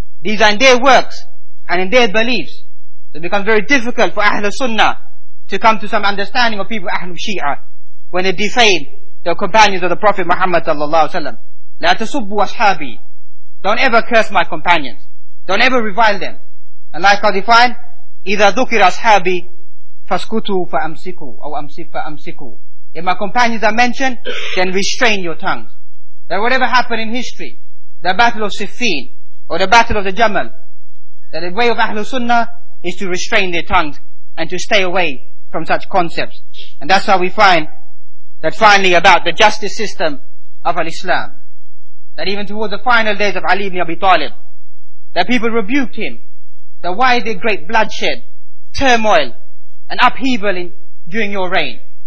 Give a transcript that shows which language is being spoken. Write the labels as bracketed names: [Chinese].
[English] These are in their works and in their beliefs. It becomes very difficult for Ahlul Sunnah to come to some understanding of people Ahlul Shia, when they defamed the companions of the Prophet Muhammad sallallahu alaihi wasallam. Don't ever curse my companions. Don't ever revile them. And like I define, [Arabic] إِذَا ذُكِرَ أَصْحَابِي فَاسْكُتُوا فَأَمْسِكُوا أَوْ أَمْسِكُوا فَأَمْسِكُوا. [English] If my companions are mentioned, then restrain your tongues. That whatever happened in history, the battle of Siffin or the battle of the Jamal, that the way of Ahlul Sunnah is to restrain their tongues and to stay away from such concepts. And that's how we find that finally about the justice system of Al-Islam, that even toward the final days of Ali ibn Abi Talib, that people rebuked him, that why the great bloodshed, turmoil and upheaval in during your reign?